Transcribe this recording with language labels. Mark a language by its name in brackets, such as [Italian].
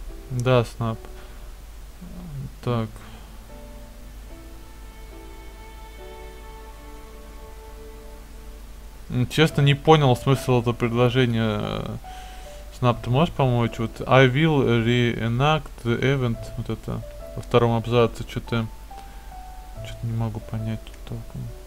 [Russian] Да, Снап. Так. Честно, не понял смысл этого предложения. Снап, ты можешь помочь? [English] Вот I will reenact the event. [Russian] Вот это во втором абзаце что-то. Что-то не могу понять тут толком.